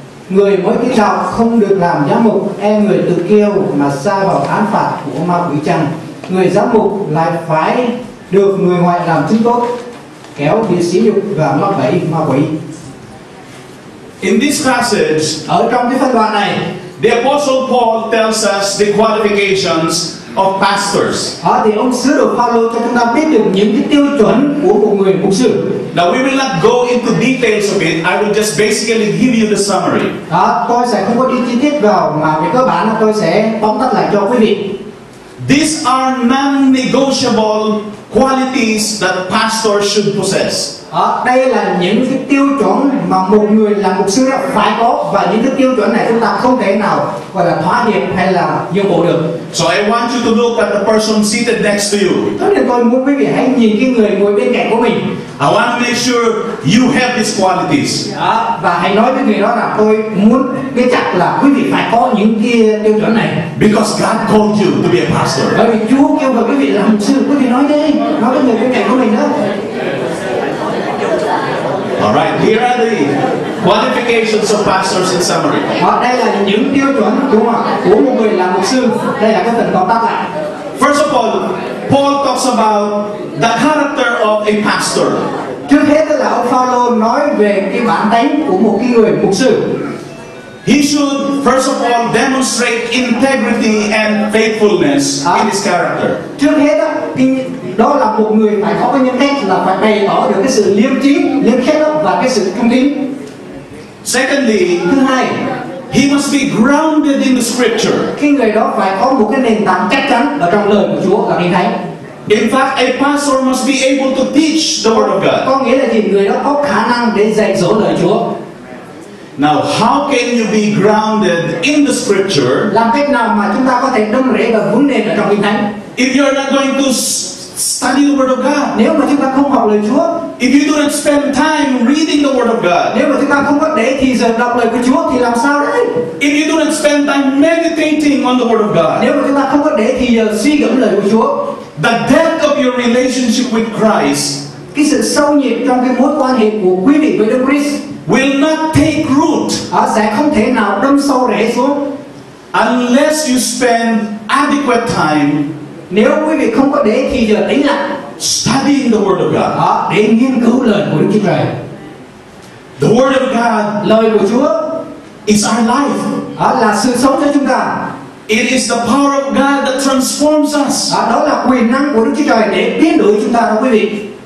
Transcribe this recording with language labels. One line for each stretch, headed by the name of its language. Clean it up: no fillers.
Vietnamese: Người mới cứu chuộc không được làm giám mục, e người tự kiêu mà sa vào án phạt của ma quỷ chăng. Người giám mục lại phải được người ngoài làm chứng tốt, kéo bị sỉ nhục và mắc bẫy ma quỷ.
English: In this passage,
Vietnamese: ở trong cái phân đoạn này,
English: the apostle Paul tells us the qualifications of pastors.
Vietnamese: Thì ông sứ đồ Phaolô cho chúng ta biết được những cái tiêu chuẩn của một người mục sư.
English: Now we will not go into details of it. I will just basically give you the summary.
Vietnamese: Tôi sẽ không có đi chi tiết vào mà về cơ bản là tôi sẽ tóm tắt lại cho quý vị.
English: These are non-negotiable qualities that pastors should possess.
Vietnamese: Đây là những cái tiêu chuẩn mà một người làm mục sư đó phải có, và những cái tiêu chuẩn này chúng ta không thể nào gọi là thỏa hiệp hay là nhượng bộ được.
English: So I want you to look at the person seated next to you.
Vietnamese: Tất nhiên tôi muốn quý vị hãy nhìn cái người ngồi bên cạnh của mình.
English: I want to make sure you have these qualities.
Vietnamese: Và hãy nói với người đó là tôi muốn biết chắc là quý vị phải có những cái tiêu chuẩn này.
English: Because God called you to be a pastor.
Vietnamese: Bởi vì Chúa kêu gọi quý vị làm mục sư, quý vị nói đi, nói với người bên cạnh của mình đó.
English: All right, here are the qualifications of pastors in summary.
Vietnamese: Đây là những tiêu chuẩn đúng không? Của một người làm mục sư. Đây là cái phần tóm tắt lại.
English: First of all, Paul talks about the character of a pastor.
Vietnamese: Trước hết là ông Phaolô nói về cái bản tính của một cái người mục sư.
English: He should first of all demonstrate integrity and faithfulness in his character.
Vietnamese: Trước hết á, đó là một người phải có cái nhân cách là phải bày tỏ được cái sự liêm chính, liêm khiết và cái sự trung tín.
English: Secondly,
Vietnamese: thứ hai,
English: he must be grounded in the scripture.
Vietnamese: Cái người đó phải có một cái nền tảng chắc chắn ở trong lời của Chúa và Kinh Thánh.
English: In fact, a pastor must be able to teach the word of God.
Vietnamese: Có nghĩa là gì? Người đó có khả năng để dạy dỗ lời Chúa.
English: Now, how can you be grounded in the scripture?
Vietnamese: Làm cách nào mà chúng ta có thể đâm rễ và vững nền ở trong Kinh Thánh?
English: If you're not going to study the Word of God.
Vietnamese: Nếu mà chúng ta không học lời Chúa,
English: if you don't spend time reading the Word of God,
Vietnamese: nếu mà chúng ta không có để thì giờ đọc lời của Chúa thì làm sao đấy?
English: If you don't spend time meditating on the Word of God,
Vietnamese: nếu mà chúng ta không có để thì suy gẫm lời của Chúa,
English: the depth of your relationship with Christ,
Vietnamese: cái sự sâu nhiệm trong cái mối quan hệ của quý vị với Đức Christ,
English: will not take root,
Vietnamese: sẽ không thể nào đâm sâu rễ xuống,
English: unless you spend adequate time.
Vietnamese: Nếu quý vị không có để thì giờ tính lại.
English: Studying the Word of God.
Vietnamese: Để nghiên cứu lời của Đức Chúa Trời.
English: The Word of God.
Vietnamese: Lời của Chúa.
English: Is our life.
Vietnamese: Là sự sống cho chúng ta.
English: It is the power of God that transforms us.
Vietnamese: Đó là quyền năng của Đức Chúa Trời để biến đổi chúng ta đó quý vị.